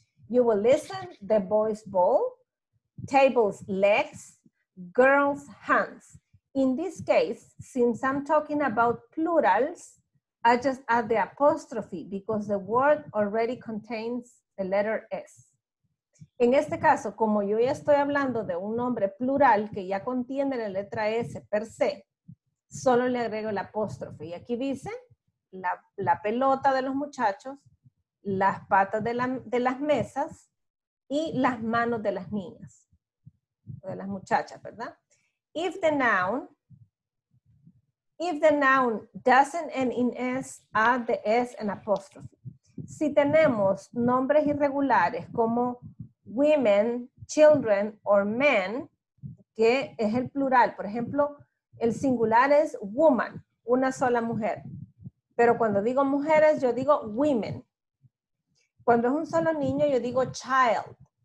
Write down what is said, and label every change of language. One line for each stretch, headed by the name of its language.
English: You will listen, the boy's ball, table's legs, girl's hands. In this case, since I'm talking about plurals, I just add the apostrophe because the word already contains the letter S.
Spanish: En este caso, como yo ya estoy hablando de un nombre plural que ya contiene la letra S per se, solo le agrego el apóstrofe. Y aquí dice, la pelota de los muchachos, las patas de las mesas y las manos de las niñas, de las muchachas, ¿verdad?
English: If the noun doesn't end in S, add the S and apostrophe.
Spanish: Si tenemos nombres irregulares como women, children, or men, que es el plural. Por ejemplo, el singular es woman, una sola mujer. Pero cuando digo mujeres, yo digo women. Cuando es un solo niño, yo digo child.